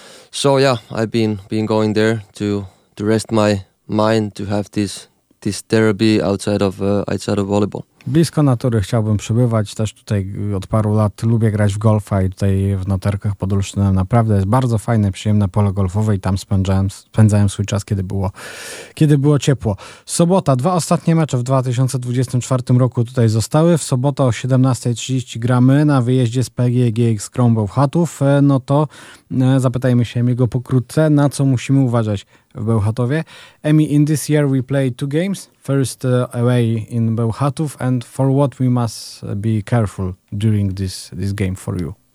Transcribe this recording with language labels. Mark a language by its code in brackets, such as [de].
[en] So yeah, I've been going there to rest my mind, to have this therapy outside of volleyball. [pl] Blisko natury chciałbym przebywać, też tutaj od paru lat lubię grać w golfa i tutaj w Noterkach pod Olsztynem naprawdę jest bardzo fajne, przyjemne pole golfowe i tam spędzałem swój czas, kiedy było ciepło. Sobota, dwa ostatnie mecze w 2024 roku tutaj zostały. W sobotę o 17:30 gramy na wyjeździe z PGE GX Krąg-Bełchatów. No to zapytajmy się Emiego pokrótce, na co musimy uważać w Bełchatowie. [en] Emi, in this year we play 2 games. First away in Bełchatów, and for what we must be careful during this game for you?